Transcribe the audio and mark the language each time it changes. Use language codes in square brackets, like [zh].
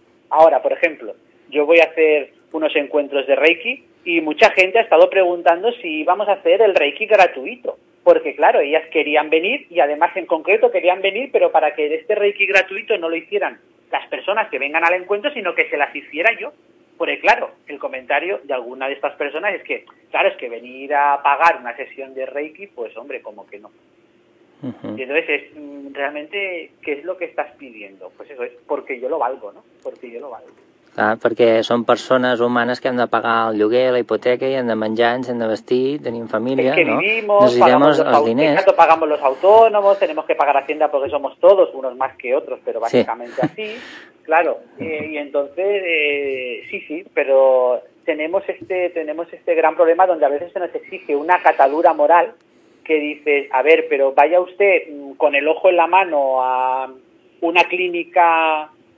[es] Ahora, por ejemplo, yo voy a hacer unos encuentros de Reiki y mucha gente ha estado preguntando si íbamos a hacer el Reiki gratuito, porque claro, ellas querían venir y además en concreto querían venir, pero para que este Reiki gratuito no lo hicieran las personas que vengan al encuentro, sino que se las hiciera yo. Porque claro, el comentario de alguna de estas personas es que, claro, es que venir a pagar una sesión de Reiki, pues hombre, como que no. Uh-huh. Y entonces, es realmente, ¿qué es lo que estás pidiendo? Pues eso es, porque yo lo valgo, ¿no? Porque yo lo valgo. [ca] Clar, perquè són persones humanes que han de pagar el lloguer, la hipoteca, i han de menjar, ens hem de vestir, tenim família, no? [es] Es que vivimos, [ca] necessitem els diners. [es] Exacto, pagamos los autónomos, tenemos que pagar Hacienda porque somos todos, unos más que otros, pero básicamente sí. Así. Claro, y entonces, sí, sí, pero tenemos este gran problema donde a veces se nos exige una catadura moral que dices, a ver, pero vaya usted con el ojo en la mano a una clínica...